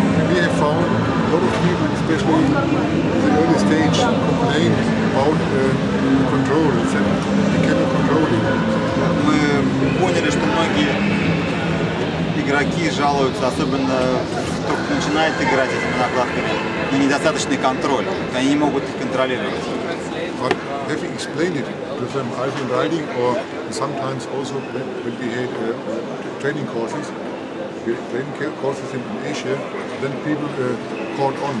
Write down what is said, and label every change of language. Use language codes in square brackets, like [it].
[en] We have found a lot of people, especially in the early stage, complained about control. They cannot control it. [ru] Мы поняли, что многие игроки жалуются, особенно кто начинает играть этими накладками, на недостаточный контроль. Они не могут их контролировать. [en] But having explained it to them, I've been riding, or sometimes also when we had training courses in Asia, then people caught on.